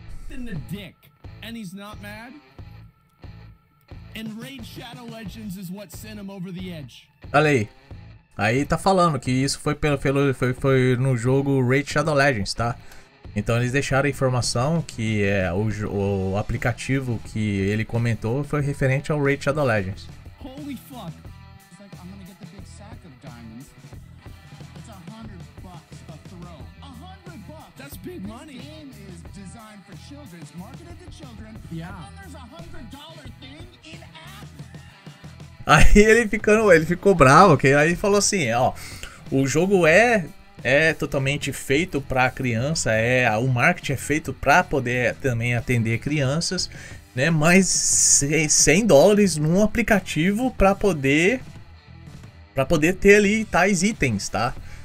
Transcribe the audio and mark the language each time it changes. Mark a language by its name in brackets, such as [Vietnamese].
[English] In the dick, and he's not mad. And Raid Shadow Legends is what sent him over the edge. [Portuguese] Olha aí. Aí tá falando que isso foi foi no jogo Raid Shadow Legends, tá? Então eles deixaram a informação que é o aplicativo que ele comentou foi referente ao Raid Shadow Legends. [English] Holy fuck! It's like I'm gonna get the big sack of diamonds. It's $100 a throw. $100! That's big money! This game is designed for children. It's marketed to children. Yeah. And then there's $100 thing in app! [Portuguese] Aí ele ficou bravo, ok? Aí falou assim, ó, o jogo é totalmente feito para criança, o marketing é feito para poder também atender crianças, né? Mas $100 num aplicativo para poder ter ali tais itens, tá?